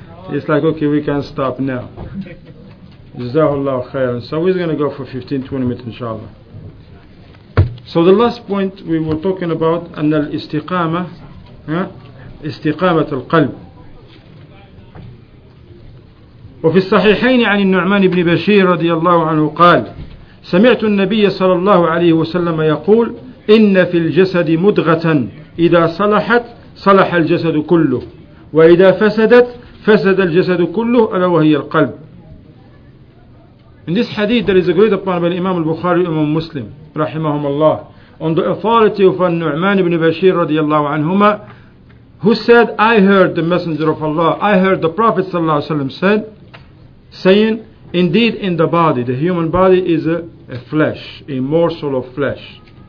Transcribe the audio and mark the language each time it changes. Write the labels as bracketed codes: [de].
[en] It's like, okay, we can stop now. Jazakallah khairan. So we're going to go for 15-20 minutes, inshallah. So the last point we were talking about, and al-istiqamah al-qalb. [ar] وفي الصحيحين عن النعمان بن بشير رضي الله عنه قال سمعت النبي صلى الله عليه وسلم يقول إن في الجسد مدغة إذا صلحت صلح الجسد كله وإذا فسدت فسد الجسد كله ألا وهي القلب. [en] In this hadith there is agreed upon by Imam al-Bukhari and Imam Muslim [ar] رحمهم الله [en] on the authority of النعمان بن بشير [ar] رضي الله عنهما [en] who said I heard the messenger of Allah, I heard the Prophet [ar] صلى الله عليه وسلم [en] saying, indeed in the body, the human body is a flesh, a morsel of flesh.